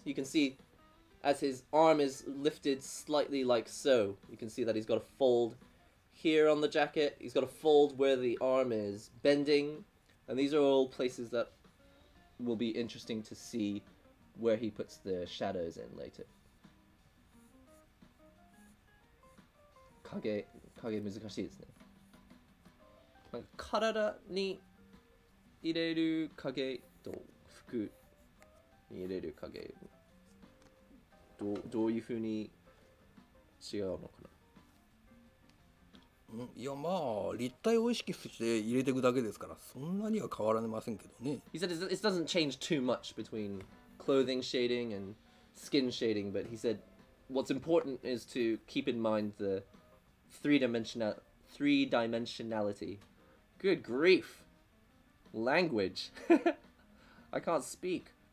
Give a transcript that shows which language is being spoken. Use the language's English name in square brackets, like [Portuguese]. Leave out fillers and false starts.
[English] You can see as his arm is lifted slightly like so, you can see that he's got a fold here on the jacket. He's got a fold where the arm is bending. And these are all places that will be interesting to see where he puts the shadows in later. [Japanese] かげ、影難しいですね。体に入れる影と服に入れる影、どういうふうに違うのかな?いや、まあ、立体を意識して入れていくだけですから、そんなには変わらないませんけどね。 [English] He said it doesn't change too much between clothing shading and skin shading, but he said what's important is to keep in mind the three-dimensionality Good grief. Language. I can't speak.